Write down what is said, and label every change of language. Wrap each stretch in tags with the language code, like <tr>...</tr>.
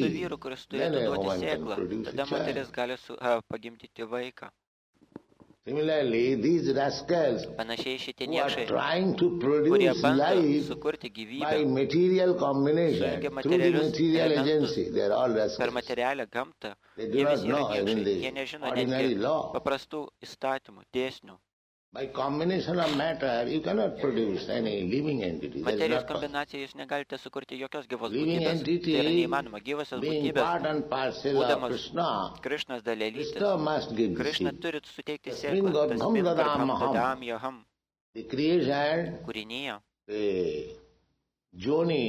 <lt>su vyru, kuris turėtų duoti sėklą, tada moteris gali pagimdyti vaiką.</lt> <en>Similarly, these rascals</en> <lt>panašiai šitie niekšai,</lt> <en>trying to produce life by material combination, through the material agency, they are all rascals.</en> <lt>Per materialią gamtą, jie visi yra niekšai, jie nežino netgi paprastų įstatymų, dėsnių.</lt> <en>By combination of matter, you cannot produce any living entity.</en> <lt>Materijos kombinacija, jūs negalite sukurti jokios gyvos būtybės. Tai yra neįmanoma. Gyvosios būtybės, būdamas Krishnas dalelytis, Krishna turi suteikti sėklą.</lt> <en>The creation,</en> <lt>kūrinyje,</lt> <en>the joni,</en>